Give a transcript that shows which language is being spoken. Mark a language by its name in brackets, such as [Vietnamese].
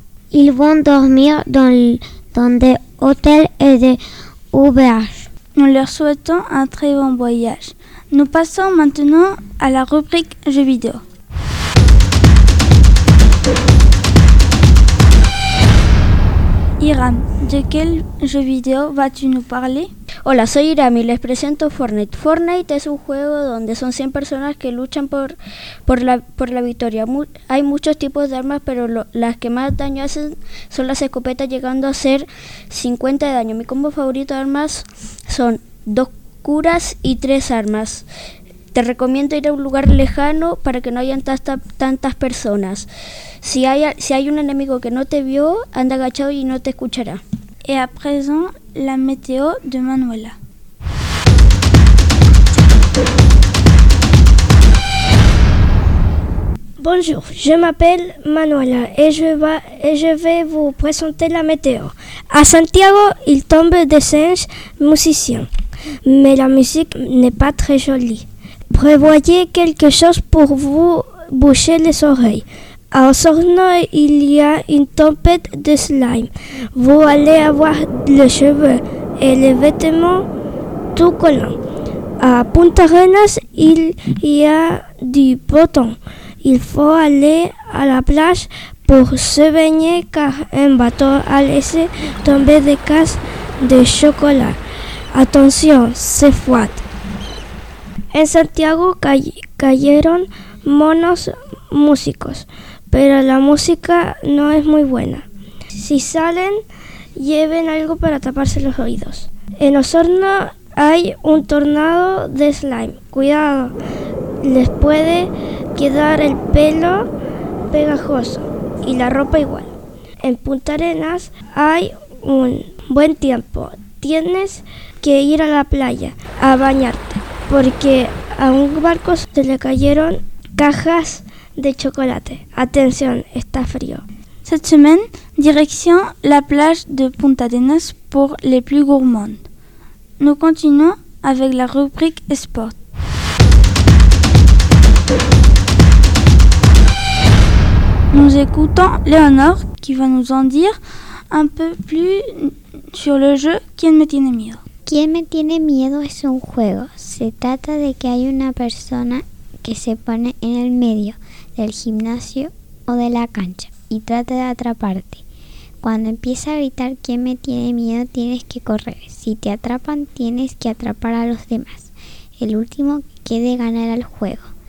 [French] Ils vont dormir dans des hôtels et des auberges. Nous leur souhaitons un très bon voyage. Nous passons maintenant à la rubrique jeux vidéo. Iram, de quel jeu vidéo vas-tu nous parler? [Spanish] Hola, soy Iram y les presento Fortnite. Fortnite es un juego donde son 100 personas que luchan por la victoria. Hay muchos tipos de armas, pero las que más daño hacen son las escopetas, llegando a hacer 50 de daño. Mi combo favorito de armas son dos curas y tres armas. Te recomiendo ir a un lugar lejano para que no hayan tantas personas. Si hay un enemigo que no te vio, anda agachado y no te escuchará. [French] Et à présent, la météo de Manuela. Bonjour, je m'appelle Manuela et je vais vous présenter la météo. À Santiago, il tombe des singes musiciens, mais la musique n'est pas très jolie. Prévoyez quelque chose pour vous boucher les oreilles. À Osorno, il y a une tempête de slime. Vous allez avoir les cheveux et les vêtements tout collants. À Punta Arenas, il y a du beau temps. Il faut aller à la plage pour se baigner car un bateau a laissé tomber des cases de chocolat. Attention, c'est froid. [Spanish] En Santiago cayeron monos músicos, pero la música no es muy buena. Si salen, lleven algo para taparse los oídos. En Osorno hay un tornado de slime. Cuidado, les puede quedar el pelo pegajoso y la ropa igual. En Punta Arenas hay un buen tiempo. Tienes que ir a la playa a bañarte, porque a un barco se le cayeron cajas de chocolate. Atención, está frío. [French] Cette semaine, direction la plage de Punta Arenas pour les plus gourmandes. Nous continuons avec la rubrique sport. Nous écoutons Léonore qui va nous en dire un peu plus sur le jeu Quién me tiene miedo. [Spanish] Quién me tiene miedo es un juego. Se trata de que hay una persona que se pone en el medio del gimnasio o de la cancha y trata de atraparte. Cuando empieza a gritar quién me tiene miedo, tienes que correr. Si te atrapan, tienes que atrapar a los demás. El último que quede ganará el juego.